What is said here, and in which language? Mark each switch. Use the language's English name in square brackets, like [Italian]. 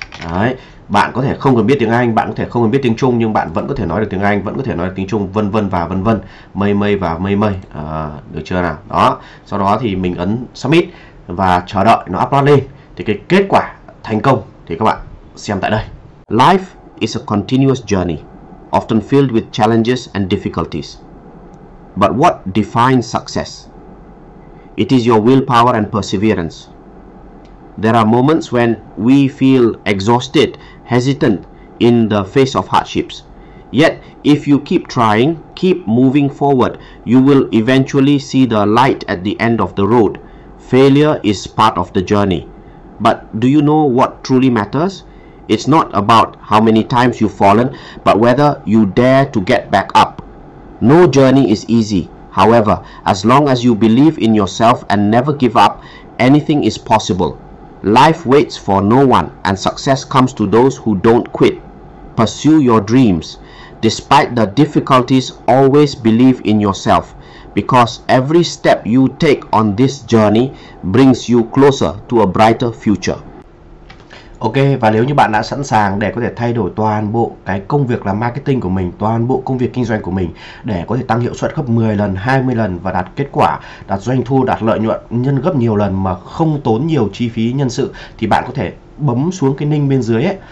[Vietnamese] Đấy, bạn có thể không cần biết tiếng Anh, bạn có thể không cần biết tiếng Trung nhưng bạn vẫn có thể nói được tiếng Anh, vẫn có thể nói được tiếng Trung, vân vân và vân vân, mây mây và mây mây, được chưa nào? Đó, sau đó thì mình ấn submit và chờ đợi nó upload lên. Thì cái kết quả thành công thì các bạn xem tại đây. [English] Life is a continuous journey, often filled with challenges and difficulties. But what defines success? It is your willpower and perseverance. There are moments when we feel exhausted, hesitant in the face of hardships. Yet, if you keep trying, keep moving forward, you will eventually see the light at the end of the road, Failure is part of the journey. But do you know what truly matters? It's not about how many times you've fallen, but whether you dare to get back up. No journey is easy. However, as long as you believe in yourself and never give up, anything is possible. Life waits for no one, and success comes to those who don't quit. Pursue your dreams. Despite the difficulties, always believe in yourself, because every step you take on this journey brings you closer to a brighter future. [Vietnamese] Ok, và nếu như bạn đã sẵn sàng để có thể thay đổi toàn bộ cái công việc làm marketing của mình, toàn bộ công việc kinh doanh của mình để có thể tăng hiệu suất gấp 10 lần, 20 lần và đạt kết quả, đạt doanh thu, đạt lợi nhuận nhân gấp nhiều lần mà không tốn nhiều chi phí nhân sự, thì bạn có thể bấm xuống cái link bên dưới ấy.